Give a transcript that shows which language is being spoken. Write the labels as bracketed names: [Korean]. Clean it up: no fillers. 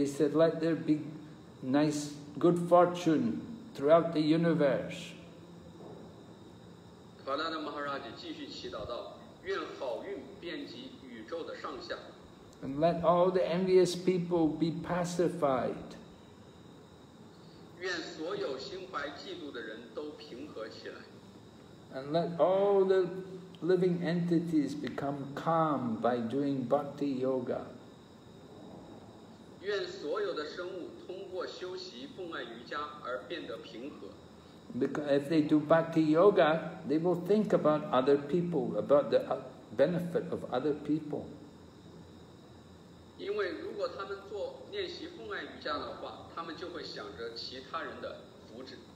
[English] He said, let there be nice, good fortune throughout the universe. [Chinese] Prahlad Maharaj 继续祈祷道，愿好运遍及宇宙的上下。 [English] And let all the envious people be pacified. [Chinese] 愿所有心怀嫉妒的人都平和起来。 [English] And let all the living entities become calm by doing bhakti yoga. [Chinese] 愿所有的生物通过修习奉爱瑜伽而变得平和。 [English] Because if they do bhakti yoga, they will think about other people, about the benefit of other people. [Chinese] 因为如果他们做练习奉爱瑜伽的话，他们就会想着其他人的福祉。